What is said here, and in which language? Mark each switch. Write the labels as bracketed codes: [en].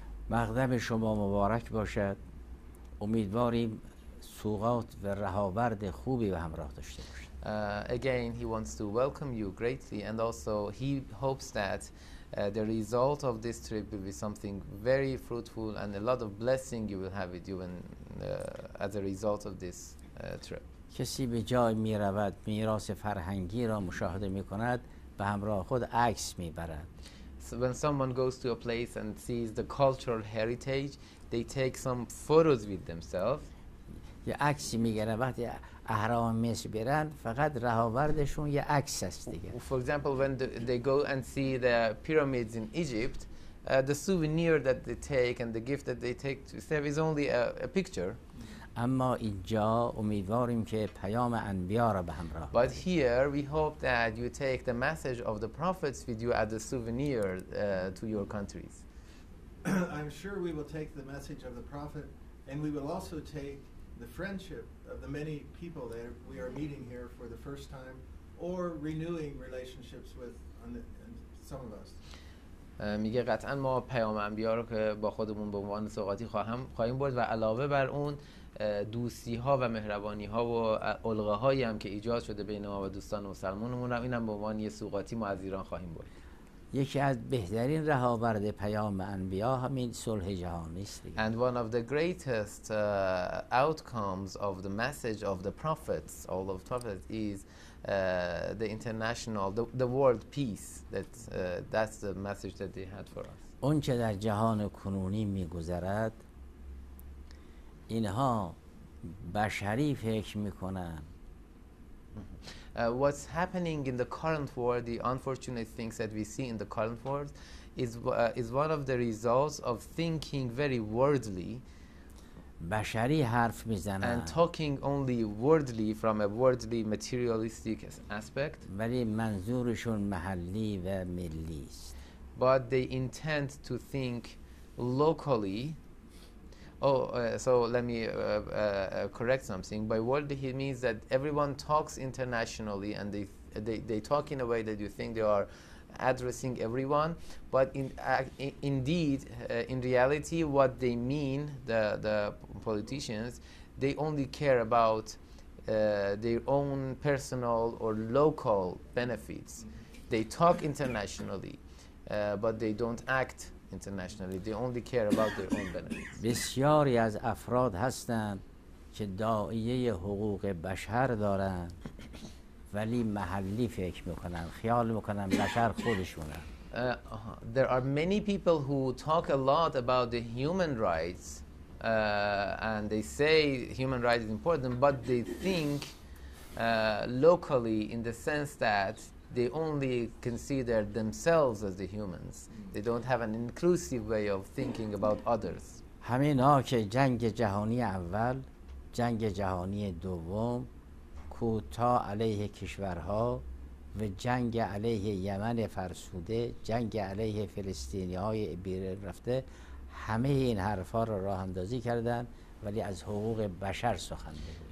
[fa] مقدم شما مبارک باشد امیدواریم سوغات و رهاورد خوبی به همراه داشته باشد [en] Again, he wants to welcome you greatly and also he hopes that the result of this trip will be something very fruitful and a lot of blessing you will have with you when, as a result of this trip [fa] کسی به جای می رود میراث فرهنگی را مشاهده می کند به همراه خود عکس می برد [en] So when someone goes to a place and sees the cultural heritage, they take some photos with themselves. [fa] یه عکسی میگیرن وقتی اهرام مصر میرن فقط رهاوردشون یه عکس است دیگه. [en] For example, when they go and see the pyramids in Egypt, the souvenir that they take and the gift that they take to serve is only a picture. [fa] اما اینجا امیدواریم که پیام انبیا را به همراه [en] But here we hope that you take the message of the prophets with you as a souvenir to your countries. I'm sure we will take the message of the prophet and we will also take the friendship of the many people that we are meeting here for the first time or renewing relationships with some of us. [fa] میگه قطعا ما پیام انبیا رو که با خودمون به عنوان سوغاتی خواهیم برد و علاوه بر اون دوستی ها و مهربانی ها و علقه هایی هم که ایجاد شده بین ما و دوستان و مسلمانمون هم این هم به عنوان یه سوغاتی ما از ایران خواهیم برد یکی از بهترین رهاورد پیام انبیا همین صلح جهانی است [en] And one of the greatest outcomes of the message of the prophets all of the prophets is the international the world peace that's the message that they had for us [fa] اون چه در جهان کنونی میگذرد اینها بشری فکر میکنن [en] What's happening in the current world, the unfortunate things that we see in the current world, is one of the results of thinking very worldly. [fa] بشری حرف میزنن. [en] And talking only worldly from a worldly materialistic aspect. [fa] ولی منظورشون محلی و ملی است. [en] But they intend to think locally. Correct something. By worldly, he means that everyone talks internationally, and they talk in a way that you think they are addressing everyone. But in reality, what they mean, the politicians, they only care about their own personal or local benefits. They talk internationally, but they don't act internationally. They only care about their own benefits. [fa] بسیاری از افراد هستند که داعیه حقوق بشر دارند ولی محلی فکر میکنند خیال میکنند بشر خودشونه. [en] There are many people who talk a lot about the human rights, and they say human rights is important, but they think locally, in the sense that they only consider themselves as the humans. They don't have an inclusive way of thinking about others. [fa] همینا که جنگ جهانی اول، جنگ جهانی دوم، کوتاه علیه کشورها و جنگ علیه یمن فرسوده، جنگ علیه فلسطینی‌های بیرون رفته، همه این حرفا رو راه اندازی کردن ولی از حقوق بشر سخن نمی‌گن.